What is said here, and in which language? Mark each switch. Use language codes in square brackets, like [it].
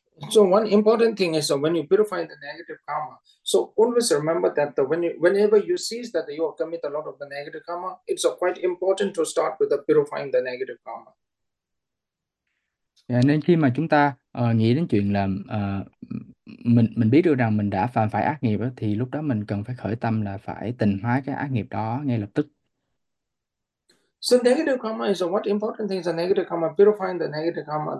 [en] So one important thing is when you purify the negative karma, so always remember that whenever you see that you have committed a lot of the negative karma, it's quite important to start with the purifying the negative karma. [vi] Yeah, nên khi mà chúng ta nghĩ đến chuyện là mình biết được rằng mình đã phạm phải ác nghiệp đó, thì lúc đó mình cần phải khởi tâm là phải tịnh hóa cái ác nghiệp đó ngay lập tức. [en] So negative karma is what important thing is a negative karma, purifying the negative karma.